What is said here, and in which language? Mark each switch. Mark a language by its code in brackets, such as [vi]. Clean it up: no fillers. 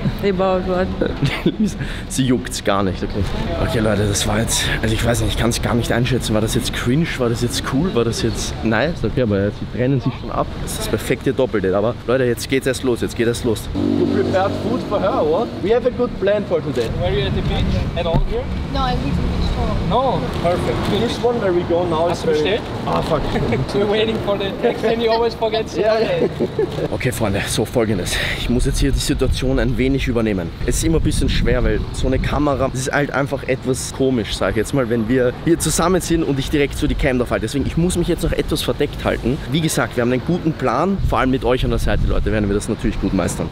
[en] About what? [de] Sie juckt's gar nicht, okay. Okay, Leute, das war jetzt, also ich weiß nicht, ich kann es gar nicht einschätzen. War das jetzt cringe, war das jetzt cool, war das jetzt nice? Okay, aber sie trennen sich schon ab. Das ist das perfekte Doppelte, aber Leute, jetzt geht's erst los, jetzt geht es los. [en] You prepared food for her, what? We have a good plan for today. Were you at the beach at all here? No, I'm here to the beach. No, perfect. This one where we go now is very... Ah, fuck. We're waiting for the text and you always forget. Yeah. [de] Okay, Freunde, so folgendes. Ich muss jetzt hier die Situation ein wenig übernehmen. Es ist immer ein bisschen schwer, weil so eine Kamera, das ist halt einfach etwas komisch, sag ich jetzt mal, wenn wir hier zusammen sind und ich direkt zu die Cam da falle. Deswegen, ich muss mich jetzt noch etwas verdeckt halten. Wie gesagt, wir haben einen guten Plan, vor allem mit euch an der Seite, Leute, werden wir das natürlich gut meistern.